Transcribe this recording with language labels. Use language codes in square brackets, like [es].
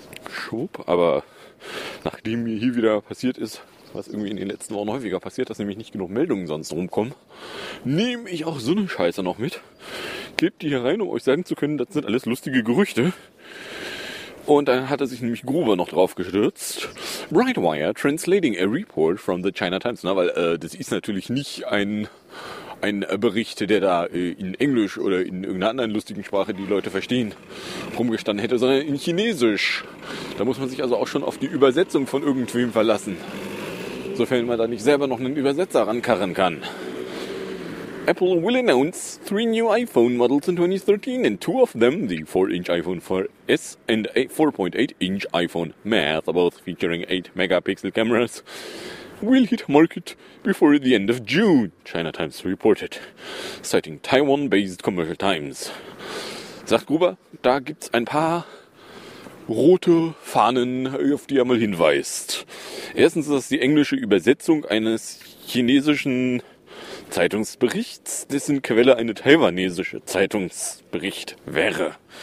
[de] Schub, aber nachdem mir hier wieder passiert ist, was irgendwie in den letzten Wochen häufiger passiert, dass nämlich nicht genug Meldungen sonst rumkommen, nehme ich auch so eine Scheiße noch mit. Klebt die hier rein, um euch sagen zu können, das sind alles lustige Gerüchte. Und dann hat er sich nämlich Gruber noch drauf gestürzt. [en] Brightwire translating a report from the China Times. [de] Na, weil das ist natürlich nicht ein Bericht, der da in Englisch oder in irgendeiner anderen lustigen Sprache, die Leute verstehen, rumgestanden hätte, sondern in Chinesisch. Da muss man sich also auch schon auf die Übersetzung von irgendwem verlassen. Sofern man da nicht selber noch einen Übersetzer rankarren kann. [en] Apple will announce 3 new iPhone models in 2013 and 2 of them, the 4-inch iPhone 4S and a 4.8-inch iPhone math, both featuring 8-megapixel cameras, will hit market before the end of June, China Times reported, citing Taiwan-based Commercial Times. [de] Sagt Gruber, da gibt's ein paar rote Fahnen, auf die er mal hinweist. Erstens ist das die englische Übersetzung eines chinesischen Zeitungsberichts, dessen Quelle eine taiwanesische Zeitungsbericht wäre.